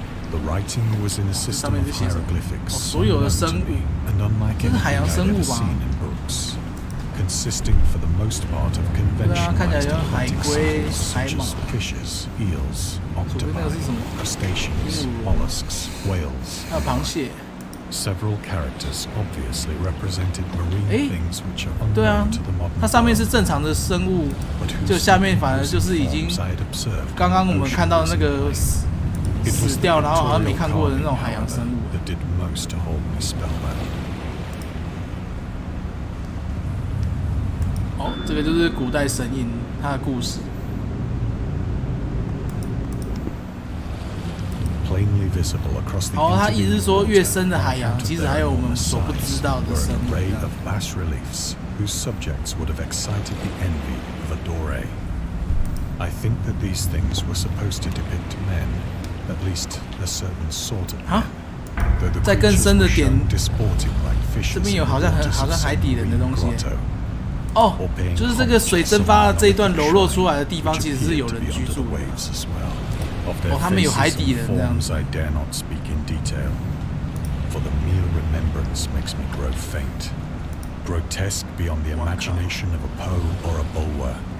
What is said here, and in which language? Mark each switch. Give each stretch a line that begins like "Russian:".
English: The writing was in a system of hieroglyphics, and unlike anything I've ever seen in books, consisting for the most part of conventionalized aquatic animals such as fishes, eels, octopi, crustaceans, mollusks, whales, and more. Several characters obviously represented marine things which are unknown to the modern world.
Chinese: 对啊，它上面是正常的生物，就下面反而就是已经刚刚我们看到那个死掉，然后好像没看过的那种海洋生物。
English: That did most to hold me spellbound.
Chinese: 哦，这个就是古代神鹰它的故事。
English: Plainly visible across the ocean.
Chinese: 意思是说，越深的海洋，其实还有我们所不知道的生物。
English: Array of bas reliefs whose subjects would have excited the envy of a Doré. I think that these things were supposed to depict men, at least a certain sort of men.
Chinese: 在更深的点，这边有好像海底人的东西。哦，就是这个水蒸发这一段流落出来的地方，其实是有人居住的。他们有海底人这样。
English: I dare not speak in detail, for the mere remembrance makes me grow faint, grotesque beyond the imagination of a Poe or a Bulwer.